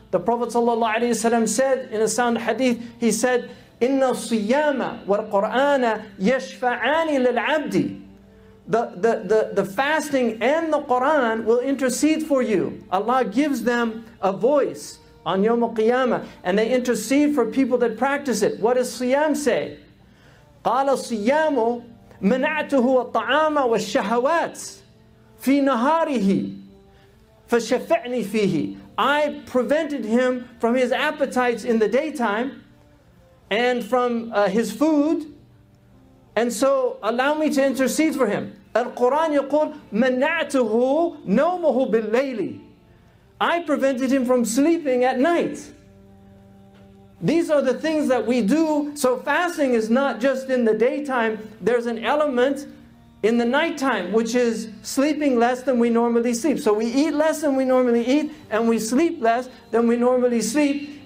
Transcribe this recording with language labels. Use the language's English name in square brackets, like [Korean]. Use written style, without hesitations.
[English] The Prophet ﷺ said in a sound hadith, he said, [Arabic] إِنَّ الصِّيَامَ وَالْقُرْآنَ يَشْفَعَانِ لِلْعَبْدِ. [English] The fasting and the Qur'an will intercede for you. Allah gives them a voice on Yawm al-Qiyamah, and they intercede for people that practice it. What does Siyam say? [Arabic] قَالَ الصِّيَامُ مَنَعْتُهُ الطَّعَامَ وَالشَّهَوَاتِ في نهاره فشفعني فيه. [English] I prevented him from his appetites in the daytime and from his food, and so allow me to intercede for him. [Arabic] القرآن يقول منعته نومه بالليل. [English] I prevented him from sleeping at night. These are the things that we do. So fasting is not just in the daytime. There's an element in the nighttime, which is sleeping less than we normally sleep. So we eat less than we normally eat, and we sleep less than we normally sleep.